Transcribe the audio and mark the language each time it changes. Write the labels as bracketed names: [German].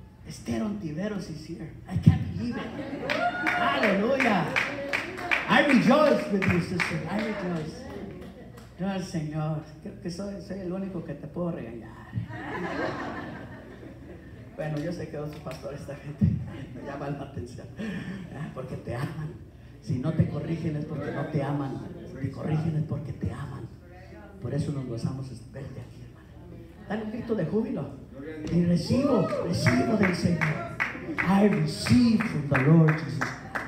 [English] Esther Ontiveros is here. I can't believe it. Hallelujah. I rejoice with you, sister. I rejoice. [Spanish] Gloria al Señor. Creo que soy el único que te puedo regañar. Bueno, yo sé que es su pastor, esta gente. Me llama la atención. Porque te aman. Si no te corrigen es porque no te aman. Si te corrigen es porque te aman. Por eso nos gozamos de verte aquí, hermano. Dale un grito de júbilo. Y recibo del Señor. [English] I receive from the Lord Jesus Christ.